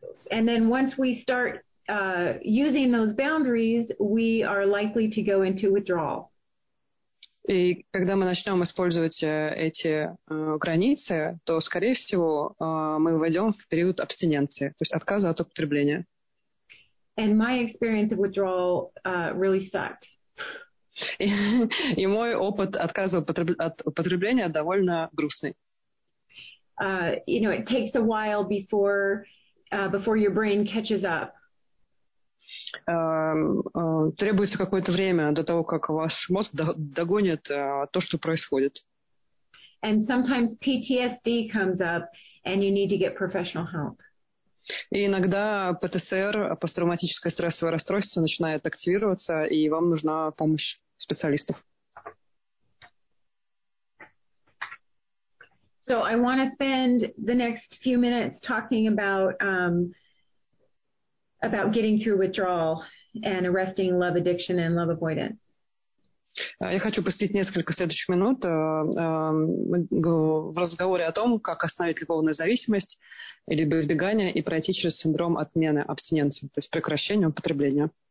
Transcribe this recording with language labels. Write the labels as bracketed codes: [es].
[en] And then once we start using those boundaries, we are likely to go into withdrawal. [ru] И когда мы начнем использовать эти границы, то, скорее всего, мы войдем в период абстиненции, то есть отказа от употребления. [en] And my experience of withdrawal really sucked. [ru] И мой опыт отказа от употребления довольно грустный. [en] You know, it takes a while before your brain catches up. [ru] Требуется какое-то время до того, как ваш мозг догонит то, что происходит. [en] And sometimes PTSD comes up, and you need to get professional help. [ru] И иногда ПТСР, посттравматическое стрессовое расстройство, начинает активироваться, и вам нужна помощь специалистов. [en] So I want to spend the next few minutes talking about getting through withdrawal and arresting love addiction and love avoidance. [ru] Я хочу посвятить несколько следующих минут в разговоре о том, как остановить любовную зависимость или избегание и пройти через синдром отмены абстиненции, то есть прекращение употребления.